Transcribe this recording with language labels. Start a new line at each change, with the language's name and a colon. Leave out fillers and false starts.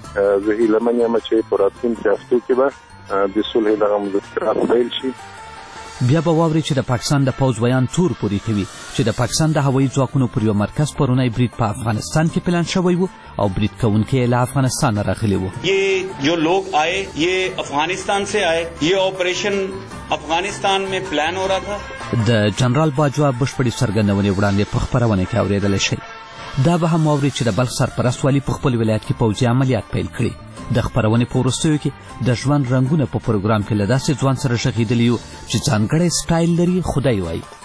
Pashto: زه هیله منم چې په راتلونکي هفته کې به د سولې دغه مذاکرات پیل شي. بیا به واوري چې د پاکستان د پوځ ویان تور پوری کوي چې د پاکستان د هوایي ځواکونو پر یو مرکز پرونی برید په افغانستان کې پلان شوی و او برید کوونکي له افغانستان راغلي وو.
Urdu: یہ جو لوگ آئے یہ افغانستان سے آئے، یہ آپریشن افغانستان میں پلان ہو رہا تھا.
Pashto: د جنرال باجوا بشپړی سرګندونې وړاندې په خبرونه کې اوریدل شي. دا به هم واوري چې د بلخ سرپرست والی په خپل ولایت کې پوځي عملیات پیل کړي. د خبرونې په وروستیو کې د ژوند رنګونه په پروګرام کې له داسې ځوان سره شغېدلی و چې ځانګړی سټایل لري. خدای وایي